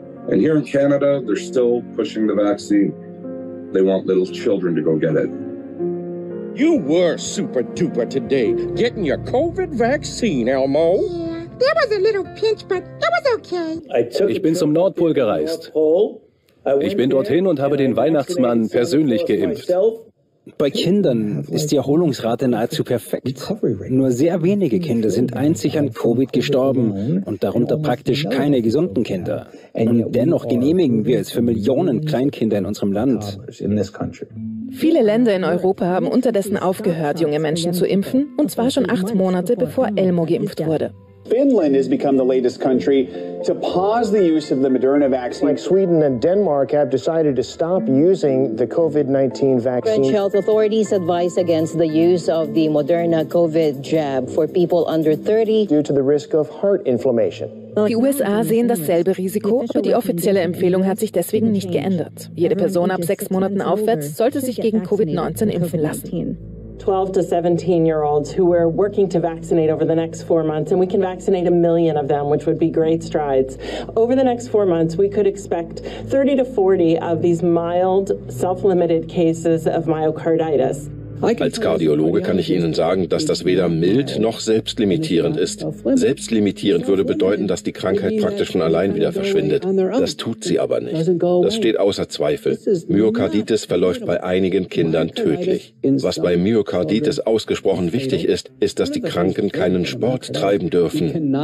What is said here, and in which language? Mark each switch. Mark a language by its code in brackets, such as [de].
[en] And here in Canada, they're still pushing the vaccine. They want little children to go get it. You were super duper today, getting your COVID vaccine, Elmo. That was a little pinch, but that was okay. [de] Ich bin zum Nordpol gereist. Ich bin dorthin und habe den Weihnachtsmann persönlich geimpft. Bei Kindern ist die Erholungsrate nahezu perfekt. Nur sehr wenige Kinder sind einzig an Covid gestorben und darunter praktisch keine gesunden Kinder. Und dennoch genehmigen wir es für Millionen Kleinkinder in unserem Land. Viele Länder in Europa haben unterdessen aufgehört, junge Menschen zu impfen, und zwar schon 8 Monate, bevor Elmo geimpft wurde. [en] Finland has become the latest country to pause the use of the Moderna vaccine. Like Sweden and Denmark have decided to stop using the COVID-19 vaccine. French health authorities advise against the use of the Moderna COVID jab for people under 30 due to the risk of heart inflammation. [de] Die USA sehen dasselbe Risiko, aber die offizielle Empfehlung hat sich deswegen nicht geändert. Jede Person ab 6 Monaten aufwärts sollte sich gegen COVID-19 impfen lassen. [en] 12 to 17 year olds who we're working to vaccinate over the next 4 months, and we can vaccinate 1 million of them, which would be great strides. Over the next 4 months, we could expect 30 to 40 of these mild, self-limited cases of myocarditis. [de] Als Kardiologe kann ich Ihnen sagen, dass das weder mild noch selbstlimitierend ist. Selbstlimitierend würde bedeuten, dass die Krankheit praktisch von allein wieder verschwindet. Das tut sie aber nicht. Das steht außer Zweifel. Myokarditis verläuft bei einigen Kindern tödlich. Was bei Myokarditis ausgesprochen wichtig ist, ist, dass die Kranken keinen Sport treiben dürfen.